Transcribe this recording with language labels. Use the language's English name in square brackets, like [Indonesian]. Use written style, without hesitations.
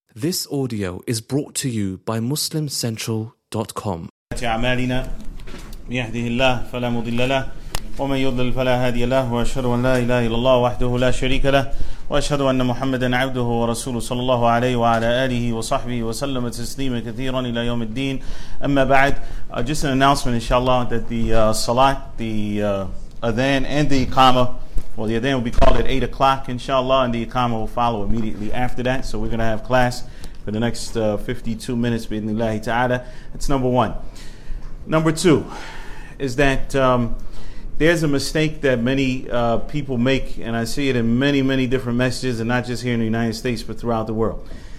[English] This audio is brought to you by MuslimCentral.com. [Arabic] أعمالنا من يهده الله فلا مضل له ومن يضلل فلا هادي له وأشهد أن لا إله إلا الله وحده لا شريك له وأشهد أن محمدا عبده ورسوله صلى الله عليه وعلى آله وصحبه وسلم تسليما كثيرا إلى يوم الدين أما بعد [English] just an announcement inshallah that the salat, the adhan and the iqamah Well, the adhan will be called at 8 o'clock, inshallah, and the iqamah will follow immediately after that. So we're going to have class for the next 52 minutes, bi'idhnillahi ta'ala. That's number one. Number two is that there's a mistake that many people make, and I see it in many, many different messages, and not just here in the United States, but throughout the world.